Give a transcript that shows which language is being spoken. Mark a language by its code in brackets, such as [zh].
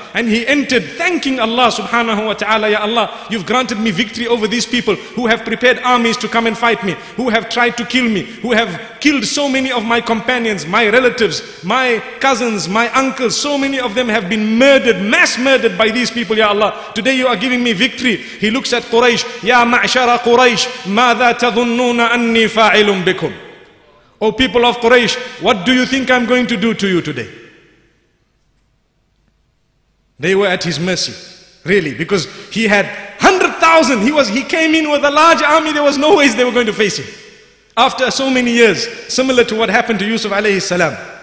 [en] And he entered thanking Allah subhanahu wa ta'ala. Ya Allah, you've granted me victory over these people who have prepared armies to come and fight me, who have tried to kill me, who have killed so many of my companions, my relatives, my cousins, my uncles. So many of them have been murdered, mass murdered by these people, Ya Allah. Today you are giving me victory. He looks at Quraysh. [ar] Ya ma'shara Quraysh, ماذا تظنون أني فاعل بكم? [en] O people of Quraysh, what do you think I'm going to do to you today? They were at his mercy, really, because he had 100,000. He came in with a large army. There was no ways they were going to face him. After so many years, similar to what happened to Yusuf alayhi salam.